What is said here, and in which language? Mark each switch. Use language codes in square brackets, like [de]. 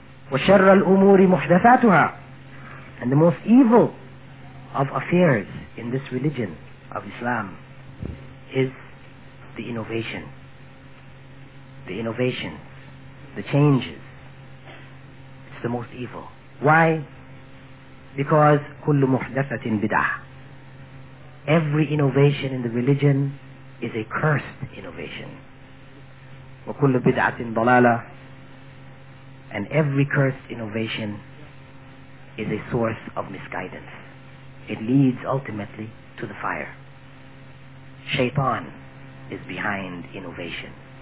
[ar] وَشَرَّ الْأُمُورِ مُحْدَثَاتُهَا. [en] And the most evil of affairs in this religion of Islam is the innovation. The innovations, the changes, it's the most evil. Why? Because [ar] كُلُّ مُحْدَثَةٍ بِدْعَةٍ. [en] Every innovation in the religion is a cursed innovation. [ar] وَكُلُّ بِدْعَةٍ ضَلَالَةٍ. [en] And every cursed innovation is a source of misguidance. It leads ultimately to the fire. Shaitan is behind innovation.